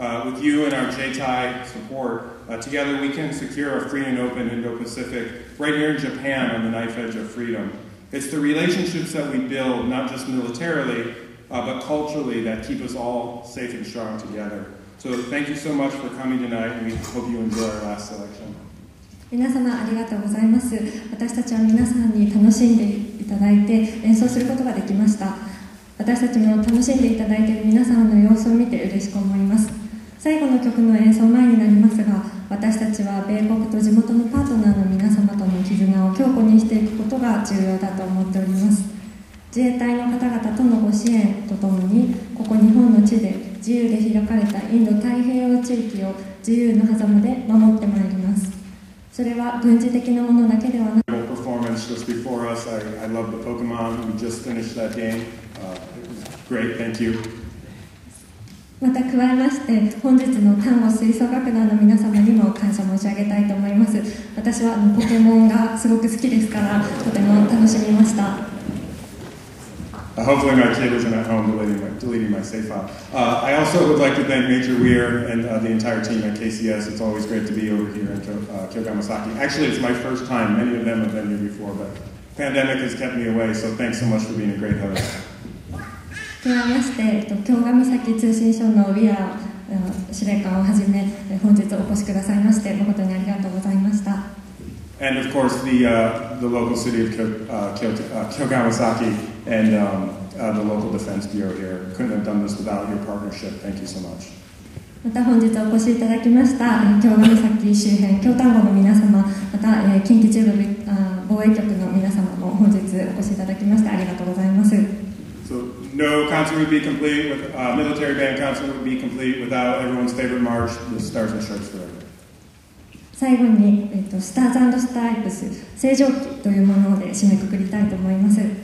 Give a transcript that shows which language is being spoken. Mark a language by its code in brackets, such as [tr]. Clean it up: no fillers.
[en] With you and our JTAI support, together we can secure a free and open Indo-Pacific right here in Japan on the knife edge of freedom. It's the relationships that we build, not just militarily, but culturally, that keep us all safe and strong together. So thank you so much for coming tonight, and we hope you enjoy our last selection. [ja] 皆様ありがとうございます。私たちは皆さんに楽しんでいただいて演奏することができました。私たちも楽しんでいただいている皆様の様子を見て嬉しく思います。最後の曲の演奏前になりますが、私たちは米国と地元のパートナーの皆様との絆を強固にしていくことが重要だと思っております。自衛隊の方々とのご支援とともに、ここ日本の地で自由で開かれたインド太平洋地域を自由の狭間で守ってまいります。それは軍事的なものだけではなく、 [en] パフォーマンス just before us, I love the Pokemon, we just finished that game. Great, thank you. [ja] また加えまして本日の丹後吹奏楽団の皆様にも感謝申し上げたいと思います。私はポケモンがすごく好きですからとても楽しみました。 [en] Hopefully my kid isn't at home deleting my save file. I also would like to thank Major Weir and the entire team at KCS. It's always great to be over here in Kyogamasaki. Actually, it's my first time. Many of them have been here before, but pandemic has kept me away, so thanks so much for being a great host. [ja] 加えまして、京ヶ岬通信所のウィア司令官をはじめ、本日お越しくださいまして、誠にありがとうございました。 [en] And of course, the local city of Kyogamasaki and the local defense bureau here couldn't have done this without your partnership. Thank you so much. [ja] また本日お越しいただきました、京ヶ岬周辺、京丹後の皆様、また、近畿中部防衛局の皆様も本日お越しいただきまして、ありがとうございます。 [en] No concert would be complete with a military band concert would be complete without everyone's favorite march, the Stars and Stripes Forever. [ja] 最後に、スターズ&スタイプス、星条旗というもので締めくくりたいと思います。